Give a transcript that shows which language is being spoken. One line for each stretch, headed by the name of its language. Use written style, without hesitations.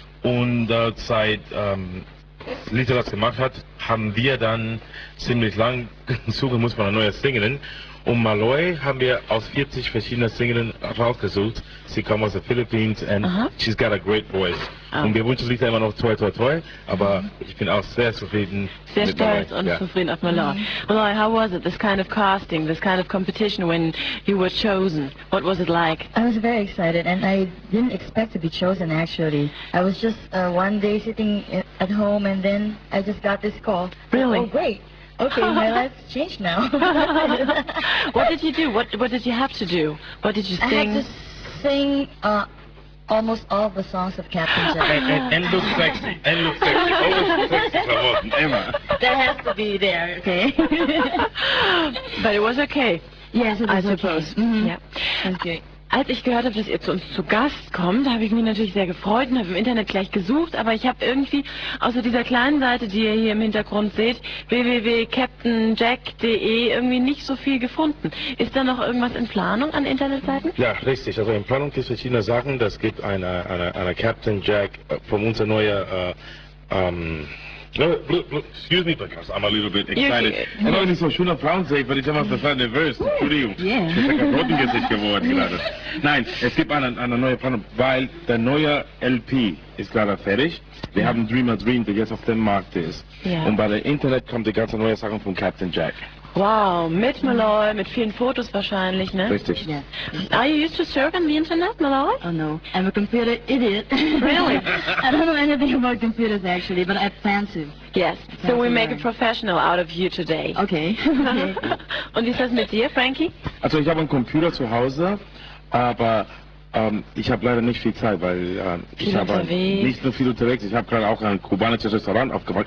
German: Und seit Lisa das gemacht hat, haben wir dann ziemlich lang suchen muss man eine neue Sängerin. Und Malloy haben wir aus 40 verschiedenen Singern rausgesucht. Sie kommen aus den Philippinen
English: and she's got a great voice. Oh.
German: Und wir wünschen Lisa immer noch toi, aber ich bin auch sehr zufrieden. Sehr stolz und zufrieden auf Malloy.
English: Malloy, how was it, this kind of casting, this kind of competition when you were chosen? What was it like? I was very excited and I didn't expect to be chosen actually. I was just one day sitting at home and then I just got this call. Really? Oh, great. Okay, my life's changed now. What did you do? What did you have to do? What did you sing? I had to sing almost all the songs of Captain Jack. And look sexy. And look sexy. Always sexy. Emma. That has to be there, okay? But it was okay. Yes, it was I suppose. Okay. Mm-hmm. Yeah. Okay.
German: Als ich gehört habe, dass ihr zu uns zu Gast kommt, habe ich mich natürlich sehr gefreut und habe im Internet gleich gesucht, aber ich habe irgendwie außer dieser kleinen Seite, die ihr hier im Hintergrund seht, www.captainjack.de, irgendwie nicht so viel gefunden. Ist da noch irgendwas in Planung an Internetseiten? Ja, richtig. Also in Planung gibt es verschiedene Sachen. Das gibt eine Captain Jack von unserer neuen...
English: excuse me, because I'm a little bit excited.
German: Ich habe nicht so schöne Frauen sehen, weil ich immer so sehr nervös. Entschuldigung.
English: Yeah.
German: Ich bin ein Rotengesicht geworden gerade. Nein, es gibt eine neue Planung, weil der neue LP ist gerade fertig. Wir haben Dreamer Dream, der jetzt auf dem Markt ist.
English: Yeah.
German: Und bei der Internet kommt die ganze neue Sache von Captain Jack. Wow, mit Malloy, mit vielen Fotos wahrscheinlich, ne? Richtig.
English: Yeah. Are you used to surf on the internet, Malloy? Oh no, I'm a computer idiot. Really? I don't know anything about computers actually, but I plan to. Yes, so we make a professional out of you today. Okay.
German: Und wie ist das mit dir, Frankie? Also ich habe einen Computer zu Hause, aber ich habe leider nicht viel Zeit, weil ich habe nicht so viel unterwegs. Ich habe gerade auch ein kubanisches Restaurant aufgebaut.